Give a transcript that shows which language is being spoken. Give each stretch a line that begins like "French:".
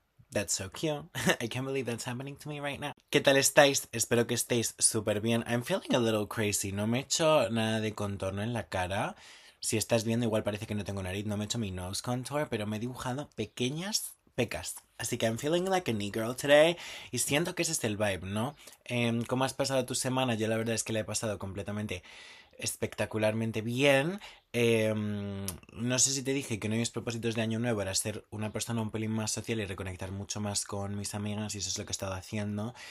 English: That's so cute. I can't believe that's happening to me right now.
Spanish: ¿Qué tal estáis? Espero que estéis súper bien.
English: I'm feeling a little crazy.
Spanish: No me he hecho nada de contorno en la cara. Si estás viendo, igual parece que no tengo nariz. No me he hecho mi nose contour, pero me he dibujado pequeñas pecas. Así que
English: I'm feeling like a new girl today.
Spanish: Y siento que ese es el vibe, ¿no? ¿Cómo has pasado tu semana? Yo la verdad es que la he pasado completamente espectacularmente bien. No sé si te dije que uno de mis propósitos de año nuevo era ser una persona un pelín más social y reconectar mucho más con mis amigas, y eso es lo que he estado haciendo.